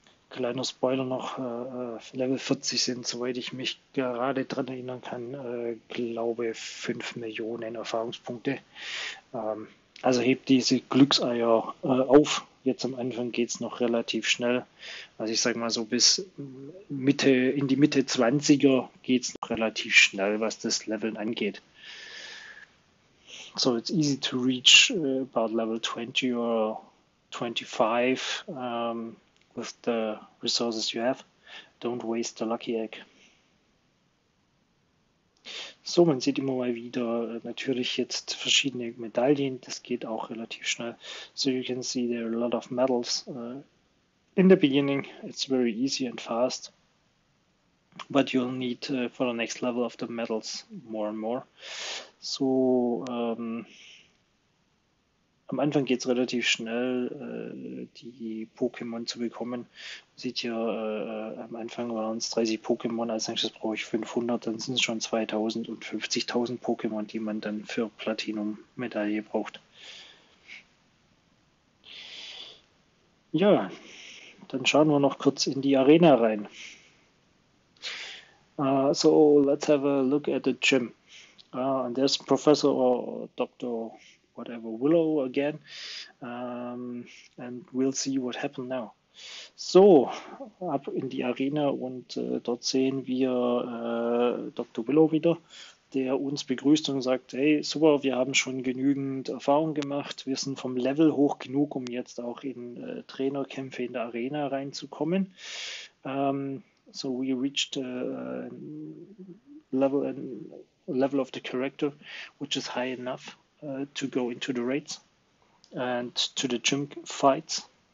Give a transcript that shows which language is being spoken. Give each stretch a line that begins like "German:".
German: Kleiner Spoiler noch: Level 40 sind, soweit ich mich gerade dran erinnern kann, glaube 5 Millionen Erfahrungspunkte. Also hebt diese Glückseier auf. Jetzt am Anfang geht es noch relativ schnell. Also ich sage mal so bis Mitte, in die Mitte 20er geht es noch relativ schnell, was das Leveln angeht.
English: So, it's easy to reach about level 20 or 25 with the resources you have. Don't waste the lucky egg.
German: So, man sieht immer mal wieder natürlich jetzt verschiedene Medaillen. Das geht auch relativ schnell.
English: So, you can see there are a lot of medals. In the beginning, it's very easy and fast. But you'll need for the next level of the medals more and more.
German: So, am Anfang geht es relativ schnell, die Pokémon zu bekommen. Sieht hier, am Anfang waren es 30 Pokémon, als nächstes brauche ich 500, dann sind es schon 2000 und 50.000 Pokémon, die man dann für Platinum-Medaille braucht. Ja, dann schauen wir noch kurz in die Arena rein.
English: So, let's have a look at the gym. And there's Professor or Dr. Whatever Willow again, and we'll see what happened now.
German: So, ab in die Arena und dort sehen wir Dr. Willow wieder, der uns begrüßt und sagt: Hey, super, wir haben schon genügend Erfahrung gemacht. Wir sind vom Level hoch genug, um jetzt auch in Trainerkämpfe in der Arena reinzukommen.
English: So, we reached a level of the character, which is high enough to go into the raids and to the gym fights.